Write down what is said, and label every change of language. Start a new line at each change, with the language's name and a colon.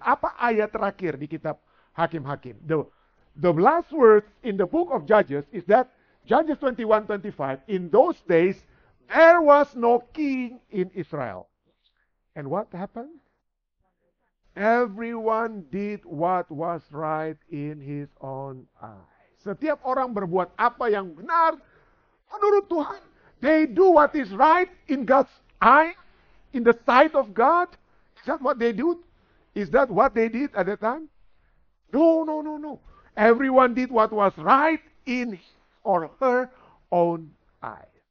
Indonesian: Apa ayat terakhir di kitab Hakim-Hakim?
English: The last words in the book of Judges is that Judges 21:25, in those days there was no king in Israel. And what happened? Everyone did what was right in his own eyes.
Indonesian: Setiap orang berbuat apa yang benar menurut Tuhan.
English: They do what is right in God's eye, in the sight of God. Is that what they do? Is that what they did at that time? No. Everyone did what was right in his or her own eye.